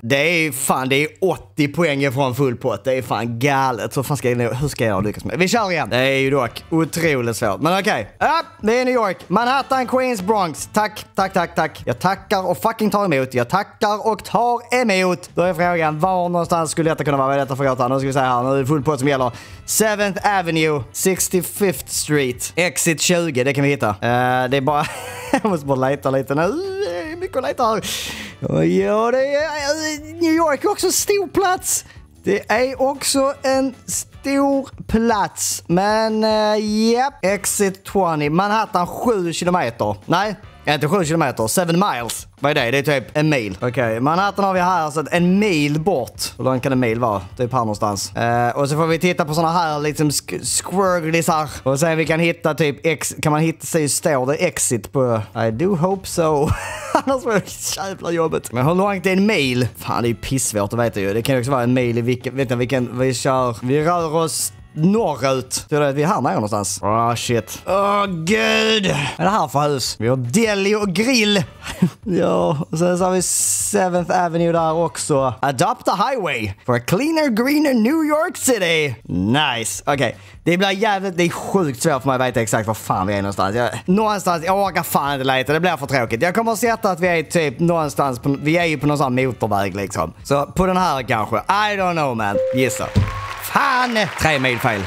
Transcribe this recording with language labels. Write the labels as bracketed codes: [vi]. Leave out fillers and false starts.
[sv] Det är fan, det är 80 poäng ifrån full pot. Det är fan galet, så fan ska jag, hur ska jag lyckas med? Vi kör igen. Det är ju dock otroligt svårt. Men okej, det är New York, Manhattan, Queens, Bronx. Tack, tack, tack, tack. Jag tackar och fucking tar emot. Jag tackar och tar emot. Då är frågan, var någonstans skulle detta kunna vara? Vad är detta för gatan? Nu ska vi säga här, nu är det full pot som gäller. [en] 7th Avenue, 65th Street, exit 20, det kan vi hitta. [sv] Det är bara, jag måste bara leta lite nu. Mycket att leta här. Ja, det är New York också stor plats. Det är också en stor plats. Men, yep. Exit 20, Manhattan 7 kilometer. Nej, inte 7 kilometer, 7 miles. Vad är det? Det är typ en mil. Okej, Manhattan har vi här, så en mil bort. Hur långt kan en mil vara? Typ här någonstans. Och så får vi titta på såna här liksom squirglisar. Och sen vi kan hitta typ kan man hitta sig står det exit på. [en] I do hope so. [sv] Annars var det jävla jobbet. Men hur långt är en mil? Fan, det är ju pissvårt att veta ju. Det kan ju också vara en mil i vilken, vet ni, vilken vi kör. Vi rör oss norrut. Tror du att vi är här nere någonstans? Åh, oh, shit. Åh, oh, gud. Vad är det här för hus? Vi har deli och grill. Ja, och sen så har vi 7th Avenue där också. [en] Adopt a highway for a cleaner, greener New York City. [sv] Nice. Okej. Det blir jävligt, det är sjukt svårt för mig att veta exakt var fan vi är någonstans. Någonstans, jag orkar fan inte leta. Det blir för tråkigt. Jag kommer att sätta att vi är typ någonstans på, vi är ju på någon sån motorväg liksom. Så på den här kanske. [en] I don't know, man. [sv] Gissa. Fan! 3 mil fel.